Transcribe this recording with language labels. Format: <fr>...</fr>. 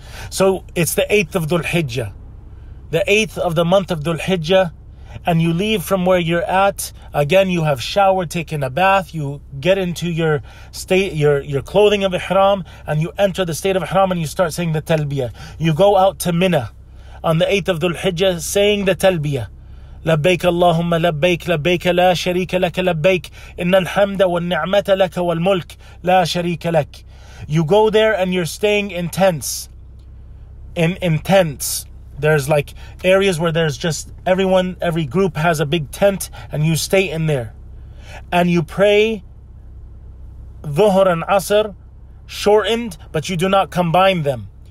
<en>So it's the 8th of Dhul Hijjah. The 8th of the month of Dhul Hijjah. And you leave from where you're at. Again, you have showered, taken a bath. You get into your state, your clothing of ihram. And you enter the state of ihram and you start saying the talbiyah. You go out to Mina on the 8th of Dhul Hijjah saying the talbiyah.</en> <ar>لبيك اللهم لبيك لبيك لا شريك لك لبيك إن الحمد والنعمة لك والملك لا شريك لك.</ar> <en>You go there and you're staying in tents. In tents. There's like areas where there's just everyone, every group has a big tent and you stay in there. And you pray Dhuhr and Asr, shortened, but you do not combine them.</en>